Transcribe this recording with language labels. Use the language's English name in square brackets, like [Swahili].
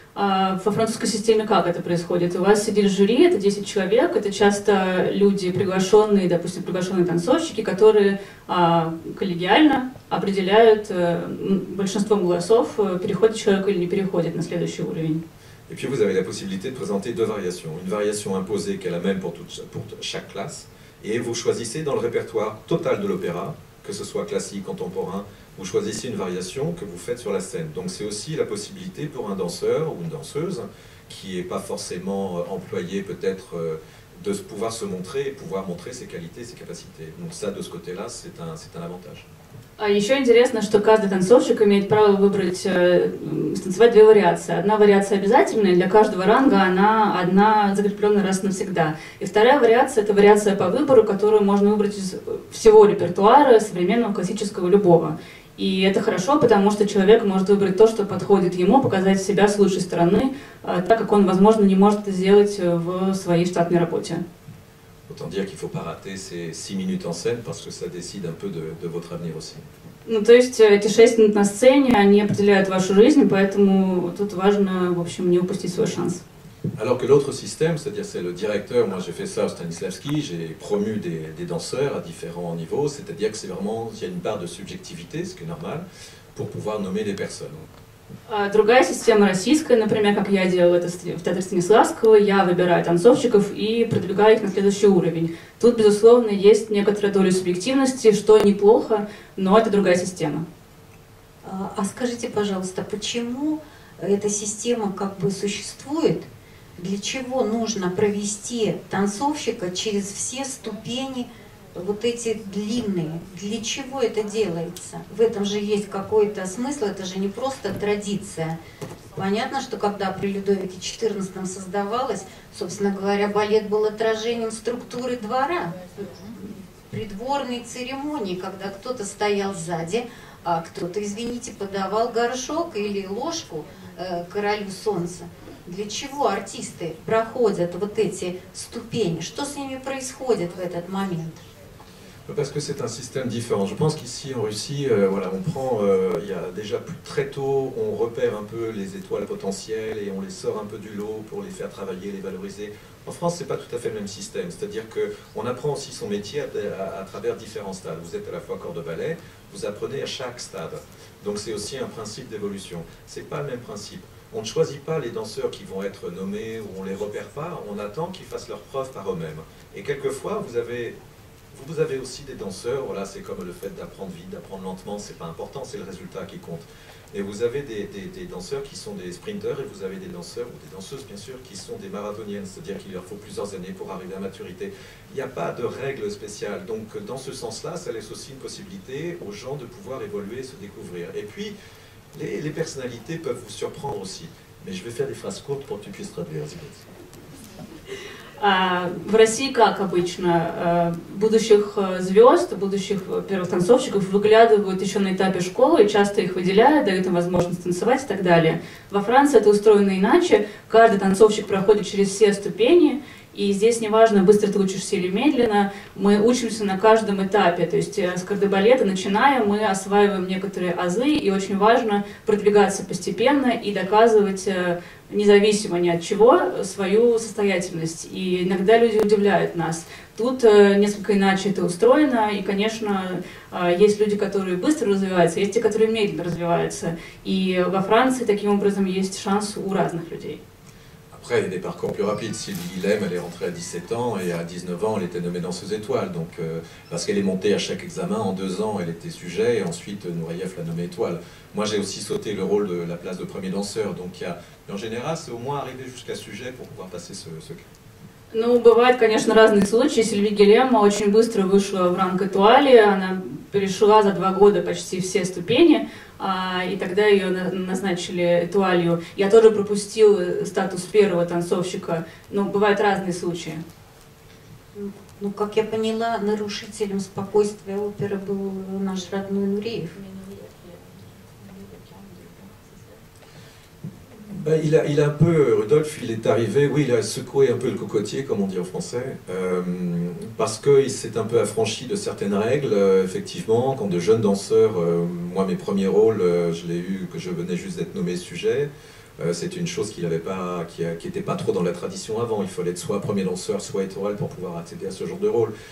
[Russian] Во французской системе как это происходит? У вас сидит жюри, это 10 человек, это часто люди приглашенные, допустим, приглашенные танцовщики, которые коллегиально определяют большинством голосов, переходит человек или не переходит на следующий уровень. [French] Et puis vous avez la possibilité de présenter deux variations. Une variation imposée qui est la même pour chaque classe, et vous choisissez dans le répertoire total de l'opéra, que ce soit classique, contemporain. Vous choisissez une variation que vous faites sur la scène. Donc c'est aussi la possibilité pour un danseur ou une danseuse qui n'est pas forcément employé peut-être de pouvoir se montrer et pouvoir montrer ses qualités, ses capacités. Donc ça, de ce côté-là, c'est un avantage. [Russian] Еще интересно, что каждый танцовщик имеет право выбрать, станцевать две вариации. Одна вариация обязательная, для каждого ранга она одна, закрепленная раз навсегда. И вторая вариация – это вариация по выбору, которую можно выбрать из всего репертуара, современного, классического, любого. И это хорошо, потому что человек может выбрать то, что подходит ему, показать себя с лучшей стороны, так как он, возможно, не может это сделать в своей штатной работе. [French] Autant dire qu'il ne faut pas rater ces 6 minutes en scène parce que ça décide un peu de votre avenir aussi. [Russian] Donc, то есть эти 6 минут на сцене, они определяют вашу жизнь, поэтому тут важно, в общем, не упустить свой шанс. [French] Alors que l'autre système, c'est-à-dire c'est le directeur, moi j'ai fait ça au Stanislavski, j'ai promu des danseurs à différents niveaux, c'est-à-dire que c'est vraiment, il y a une part de subjectivité, ce qui est normal, pour pouvoir nommer des personnes. [Russian] Другая система российская, например, как я делала это в театре Станиславского, я выбираю танцовщиков и продвигаю их на следующий уровень. Тут, безусловно, есть некоторая доля субъективности, что неплохо, но это другая система. А скажите, пожалуйста, почему эта система как бы существует? Для чего нужно провести танцовщика через все ступени вот эти длинные, для чего это делается? В этом же есть какой-то смысл, это же не просто традиция. Понятно, что когда при Людовике XIV создавалось, собственно говоря, балет был отражением структуры двора, придворной церемонии, когда кто-то стоял сзади, а кто-то, извините, подавал горшок или ложку королю солнца. Для чего артисты проходят вот эти ступени? Что с ними происходит в этот момент? [French] Parce que c'est un système différent. Je pense qu'ici en Russie, voilà, on prend, il y a déjà plus très tôt, on repère un peu les étoiles potentielles et on les sort un peu du lot pour les faire travailler, les valoriser. En France, ce n'est pas tout à fait le même système. C'est-à-dire qu'on apprend aussi son métier à travers différents stades. Vous êtes à la fois corps de ballet, vous apprenez à chaque stade. Donc c'est aussi un principe d'évolution. Ce n'est pas le même principe. On ne choisit pas les danseurs qui vont être nommés ou on ne les repère pas, on attend qu'ils fassent leurs preuves par eux-mêmes. Et quelquefois, vous avez aussi des danseurs, voilà, c'est comme le fait d'apprendre vite, d'apprendre lentement, c'est pas important, c'est le résultat qui compte. Et vous avez des danseurs qui sont des sprinteurs et vous avez des danseurs ou des danseuses, bien sûr, qui sont des marathoniennes, c'est-à-dire qu'il leur faut plusieurs années pour arriver à maturité. Il n'y a pas de règle spéciale. Donc, dans ce sens-là, ça laisse aussi une possibilité aux gens de pouvoir évoluer, se découvrir. Et puis, les personnalités peuvent vous surprendre aussi. Mais je vais faire des phrases courtes pour que tu puisses traduire, Zibet. [Russian] В России, как обычно, будущих звезд, будущих первых танцовщиков выглядывают еще на этапе школы, часто их выделяют, дают им возможность танцевать и так далее. Во Франции это устроено иначе. Каждый танцовщик проходит через все ступени, и здесь неважно, быстро ты учишься или медленно, мы учимся на каждом этапе. То есть с кардебалета, начиная, мы осваиваем некоторые азы, и очень важно продвигаться постепенно и доказывать, независимо ни от чего, свою состоятельность. И иногда люди удивляют нас. Тут несколько иначе это устроено, и, конечно, есть люди, которые быстро развиваются, есть те, которые медленно развиваются. И во Франции таким образом есть шанс у разных людей. [French] Après, il y a des parcours plus rapides. Sylvie Guillem, elle est rentrée à 17 ans et à 19 ans, elle était nommée dans ses étoiles. Donc, parce qu'elle est montée à chaque examen, en deux ans, elle était sujet et ensuite, Nouraïef l'a nommée étoile. Moi, j'ai aussi sauté le rôle de la place de premier danseur. Donc, en général, c'est au moins arrivé jusqu'à sujet pour pouvoir passer ce cas. [Russian] Ну, бывают, конечно, разные случаи. Сильвия Гелема очень быстро вышла в ранг этуали, она перешла за два года почти все ступени, и тогда ее назначили этуалью. Я тоже пропустил статус первого танцовщика, но бывают разные случаи. Ну, как я поняла, нарушителем спокойствия оперы был наш родной Нуреев. [French] Ben, il a un peu, Rudolf, il est arrivé, oui, il a secoué un peu le cocotier, comme on dit en français, parce qu'il s'est un peu affranchi de certaines règles, effectivement, quand de jeunes danseurs, moi mes premiers rôles, je l'ai eu, que je venais juste d'être nommé sujet, c'est une chose qu'il avait pas, qui n'était pas trop dans la tradition avant, il fallait être soit premier danseur, soit étoile pour pouvoir accéder à ce genre de rôle.